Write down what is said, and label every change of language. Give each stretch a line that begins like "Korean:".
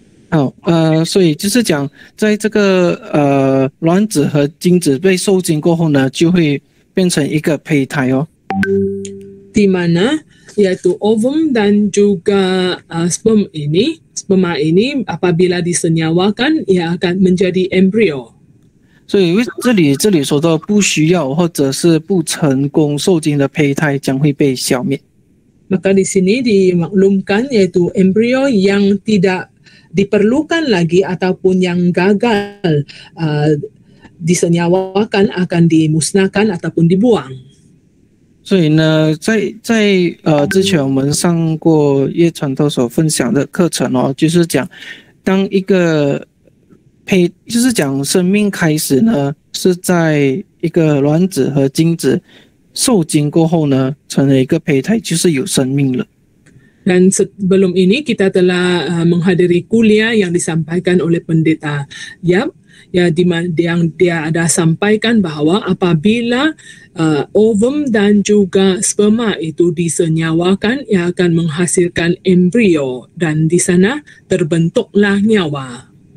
Chinese: 好，所以就是讲，在这个卵子和精子被受精过后呢，就会变成一个胚胎哦。
Malay: Di mana yaitu ovum dan juga sperma ini apabila disenyawakan ia akan menjadi embrio。
Chinese: 所以这里说到不需要或者是不成功受精的胚胎将会被消灭。
Malay: Maka di sini dimaklumkan yaitu embrio yang tidakDiperlukan lagi ataupun yang gagal disenyawakan akan dimusnahkan ataupun dibuang。
Chinese: 所以呢，在之前我们上过叶传道所分享的课程哦，就是讲当一个就是讲生命开始呢，是在一个卵子和精子受精过后呢，成了一个胚胎，就是有生命了。
Malay: Dan sebelum ini kita telah menghadiri kuliah yang disampaikan oleh Pendeta Yap, yang dia ada sampaikan bahwa apabila ovum dan juga sperma itu disenyawakan, ia akan menghasilkan embrio dan di sana terbentuklah nyawa.